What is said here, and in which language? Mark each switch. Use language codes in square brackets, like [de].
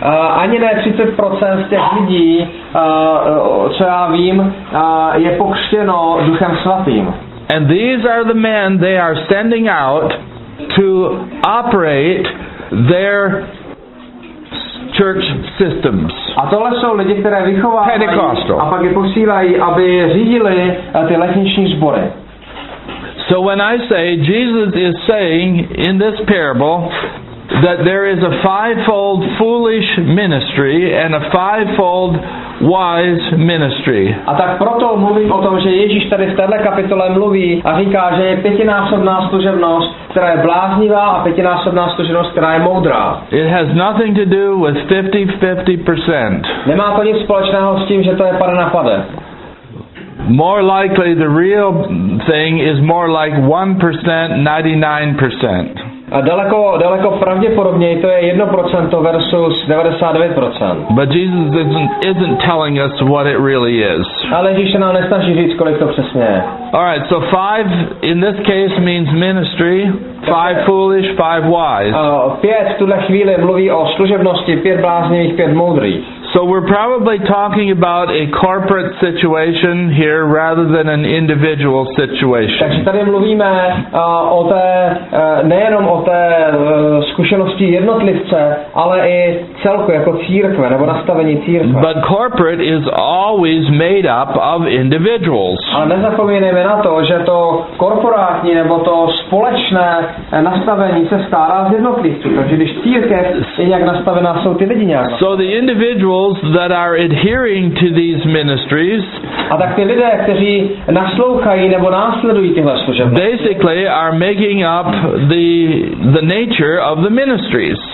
[cs] Ani ne 30% z těch lidí, co já vím, je pokřtěno Duchem Svatým. [en] And these are the men they are sending out to operate their church systems. [cs] A tohle jsou lidi, které vychovávají a pak je posílají, aby řídili ty letniční sbory. [en] So when I say Jesus is saying in this parable that there is a fivefold foolish ministry and a fivefold wise ministry. [cs] A tak proto mluvím o tom, že Ježíš tady v téhle kapitole mluví a říká, že je pětinásobná služebnost, která je bláznivá, a pětinásobná služebnost, která je moudrá. [en] It has nothing to do with 50-50%. [cs] Nemá to nic společného s tím, že to je pade na pade. [en] More likely the real thing is more like 1%, 99%. [cs] A daleko pravděpodobněji to je 1% versus 99%. [en] But Jesus isn't telling us what it really is. [cs] Ale Ježíš se nám nestaží říct, kolik to přesně je. [en] All right, so five in this case means ministry, five foolish, five wise. [cs] Pět v tuhle chvíli mluví o služebnosti, pět bláznivých, pět moudrých. [en] So we're probably talking about a corporate situation here rather than an individual situation. [cs] Takže tady mluvíme o té nejenom o té zkušenosti jednotlivce, ale i celku jako církve nebo nastavení církve. [en] But corporate is always made up of individuals. [cs] A nezapomínejme na to, že to korporátní nebo to společné nastavení se skládá z jednotlivců. Takže když církev je nějak nastavená, jsou ty lidi nějak. [en] So the individual that are adhering to these ministries. [cs] A tak ty lidé, kteří naslouchají nebo následují tyhle služebnosti. [en] Basically are making up the nature of the ministries.